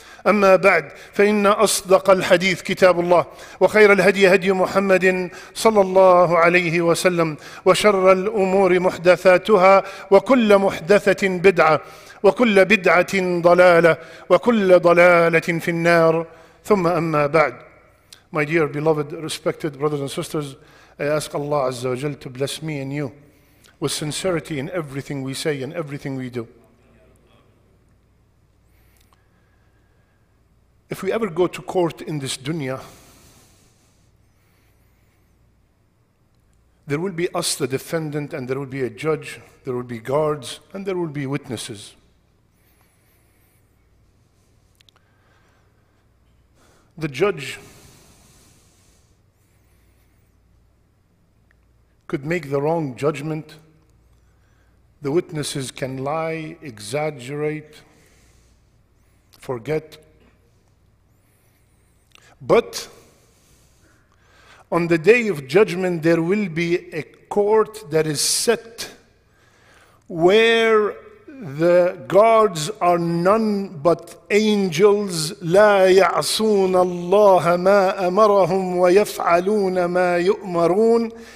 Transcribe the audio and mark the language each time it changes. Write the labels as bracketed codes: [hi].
[ar] أما بعد، فإن أصدق الحديث كتاب الله، وخير الهدي هدي محمد صلى الله عليه وسلم، وشر الأمور محدثاتها، وكل محدثة بدعة، وكل بدعة ضلالة، وكل ضلالة في النار. ثم أما بعد. [en] My dear beloved respected brothers and sisters, I ask Allah Azza wa Jal to bless me and you with sincerity in everything we say and everything we do. If we ever go to court in this dunya, there will be us, the defendant, and there will be a judge, there will be guards, and there will be witnesses. The judge could make the wrong judgment. The witnesses can lie, exaggerate, forget. But on the day of judgment, there will be a court that is set where the guards are none but angels. [ar] لا يعصون الله ما أمرهم ويفعلون ما يؤمرون.